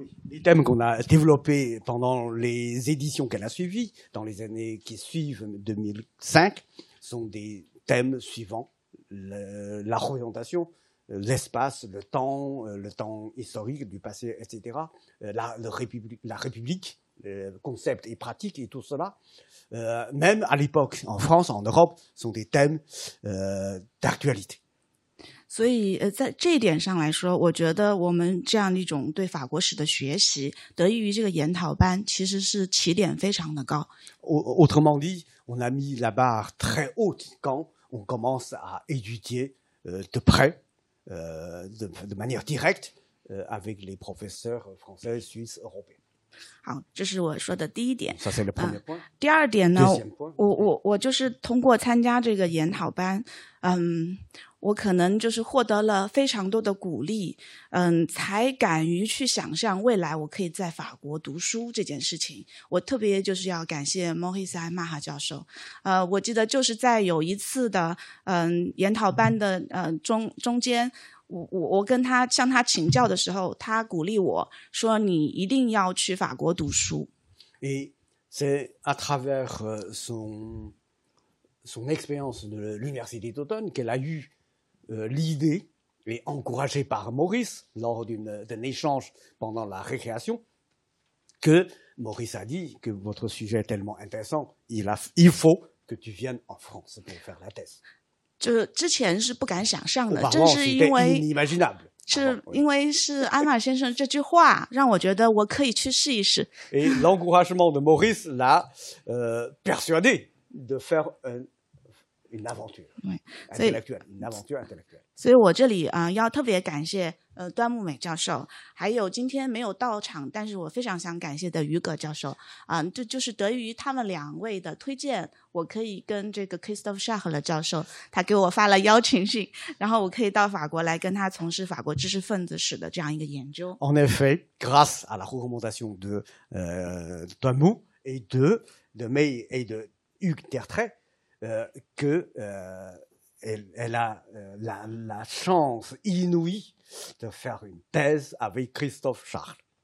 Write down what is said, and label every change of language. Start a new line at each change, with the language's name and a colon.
French: Les thèmes qu'on a développés pendant les éditions qu'elle a suivies dans les années qui suivent 2005 sont des thèmes suivants la réorientation, l'espace, le temps historique du passé, etc. La République, concept et pratique et tout cela, même à l'époque en France, en Europe, sont des thèmes d'actualité.
Chinese: 所以在这一点上来说，我觉得我们这样一种对法国史的学习得益于这个研讨班其实是起点非常的高。
French: Autrement dit, on a mis la barre très haute quand on commence à étudier de près, de manière directe, avec les professeurs français, suisses, européens.
Chinese: 好，这是我说的第一点。第二点呢，我就是通过参加这个研讨班，我可能就是获得了非常多的鼓励，才敢于去想象未来我可以在法国读书这件事情。我特别就是要感谢 Maurice Aimaha 教授。我记得就是在有一次的研讨班的中间。我跟他向他请教的时候，他鼓励我说：“你一定要去法国读书。”
French: Et c'est à travers son expérience de l'université d'automne qu'elle a eu l'idée, et encouragée par Maurice lors d'un échange pendant la récréation, que Maurice a dit que votre sujet est tellement intéressant, il faut que tu viennes en France pour faire la thèse.
Chinese: 就之前是不敢想象的，正是因为是艾玛先生这句话让我觉得我可以去试一试。
French: Et l'encouragement de Maurice l'a persuadé de faire une aventure intellectuelle.
Chinese: 所以我这里要特别感谢端木美教授，还有今天没有到场但是我非常想感谢的于格教授，就是得益于他们两位的推荐，我可以跟这个 Christophe Schachler 教授，他给我发了邀请信，然后我可以到法国来跟他从事法国知识分子史的这样一个研究。
French: En effet, grâce à la recommandation de Doimou et de May et de Hugues Dertray qu'elle a la chance inouïe de faire une thèse avec Christophe Schachler.